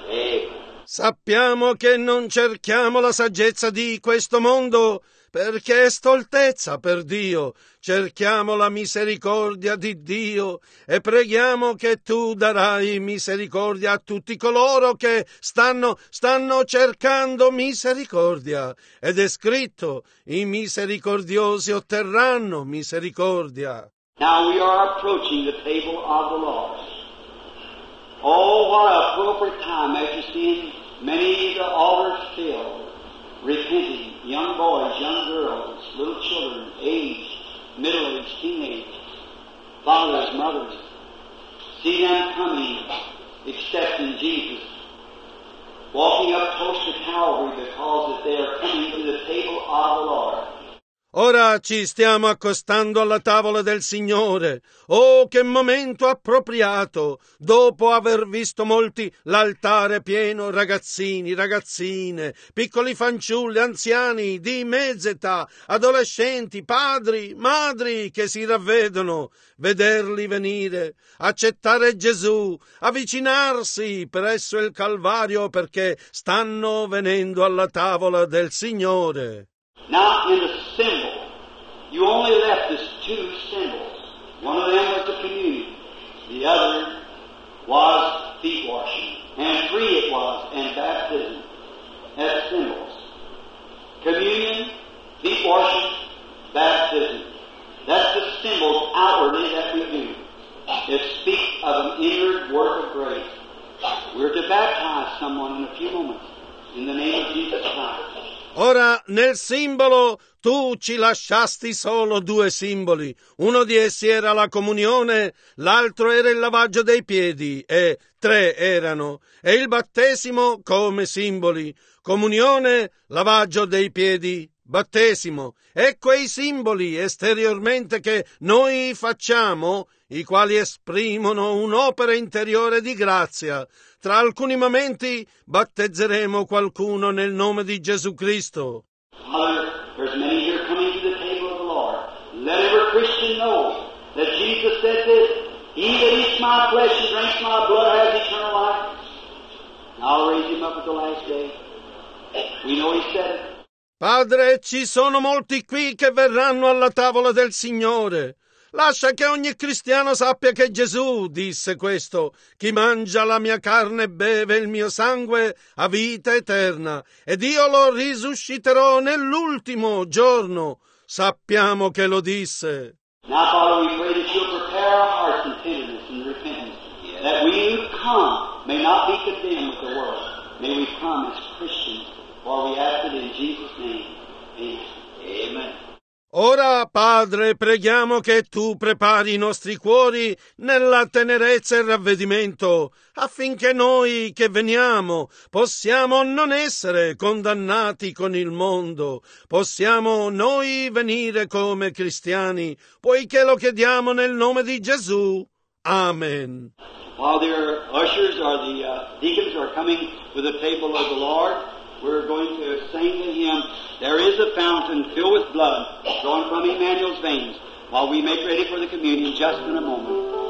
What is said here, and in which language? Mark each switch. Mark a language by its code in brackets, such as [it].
[it] Amen. Sappiamo che non cerchiamo la saggezza di questo mondo, perché è stoltezza per Dio. Cerchiamo la misericordia di Dio e preghiamo che tu darai misericordia a tutti coloro che stanno cercando misericordia. Ed è scritto, i misericordiosi otterranno misericordia. [en] Now we are approaching the table of the Lord. Oh, what a appropriate time, as you see, many of the altars filled, repenting, young boys, young girls, little children, aged, middle-aged, teenagers, fathers, mothers, see them coming, accepting Jesus, walking up close to Calvary because that they are coming to the table of the Lord. [it] Ora ci stiamo accostando alla tavola del Signore. Oh, che momento appropriato! Dopo aver visto molti l'altare pieno, ragazzini, ragazzine, piccoli fanciulli, anziani, di mezz'età, adolescenti, padri, madri che si ravvedono, vederli venire, accettare Gesù, avvicinarsi presso il Calvario perché stanno venendo alla tavola del Signore. [en] Not in the symbol. You only left us two symbols. One of them was the communion. The other was feet washing. And three it was, and baptism as symbols. Communion, feet washing, baptism. That's the symbols outwardly that we do. It speaks of an inner work of grace. We're to baptize someone in a few moments in the name of Jesus Christ. [it] Ora, nel simbolo, tu ci lasciasti solo due simboli. Uno di essi era la comunione, l'altro era il lavaggio dei piedi, e tre erano. E il battesimo come simboli. Comunione, lavaggio dei piedi, battesimo. Ecco i simboli esteriormente che noi facciamo, i quali esprimono un'opera interiore di grazia. Tra alcuni momenti battezzeremo qualcuno nel nome di Gesù Cristo. [en] Father, there's many here coming to the table of the Lord. Let every Christian know that Jesus said this, he that eats my flesh and drinks my blood has eternal life. And I'll raise him up at the last day. We know he said it. [it] Padre, ci sono molti qui che verranno alla tavola del Signore. Lascia che ogni cristiano sappia che Gesù disse questo. Chi mangia la mia carne e beve il mio sangue ha vita eterna, ed io lo risusciterò nell'ultimo giorno. Sappiamo che lo disse. [en] Now, Father, we pray that you'll prepare our hearts in tenderness and repentance, that we who come may not be condemned with the world. May we come as Christians, while we ask it in Jesus' name. Amen. Amen. [it] Ora, Padre, preghiamo che Tu prepari i nostri cuori nella tenerezza e ravvedimento, affinché noi che veniamo possiamo non essere condannati con il mondo, possiamo noi venire come cristiani, poiché lo chiediamo nel nome di Gesù. Amen. [en] While the ushers or the deacons are coming to the table of the Lord, we're going to sing to Him, "There is a fountain filled with blood drawn from Emmanuel's veins," while we make ready for the communion just in a moment.